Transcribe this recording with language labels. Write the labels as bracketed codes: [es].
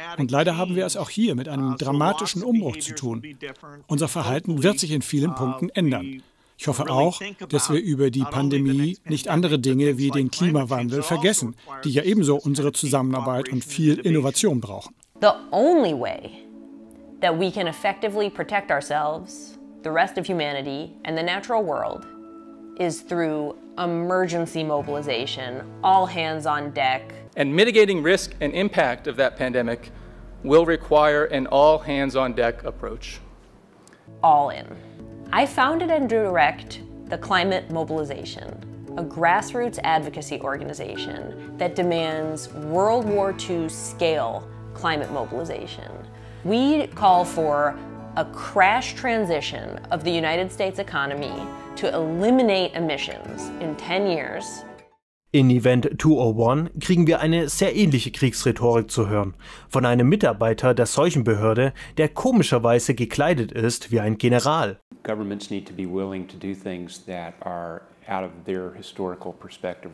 [de] Und leider haben wir es auch hier mit einem dramatischen Umbruch zu tun. Unser Verhalten wird sich in vielen Punkten ändern. Ich hoffe auch, dass wir über die Pandemie nicht andere Dinge wie den Klimawandel vergessen, die ja ebenso unsere Zusammenarbeit und viel Innovation brauchen. [en] The only way that we can effectively protect ourselves, the rest of humanity and the natural world is through emergency mobilization, all hands on deck. And mitigating risk and impact of that pandemic will require an all hands on deck approach. All in. I founded and direct the Climate Mobilization, a grassroots advocacy organization that demands World War II scale climate mobilization. We call for a crash transition of the United States economy to eliminate emissions in 10 years. [de] In Event 201 kriegen wir eine sehr ähnliche Kriegsrhetorik zu hören. Von einem Mitarbeiter der Seuchenbehörde, der komischerweise gekleidet ist wie ein General. [en] Governments need to be willing to do things that are out of their historical perspective.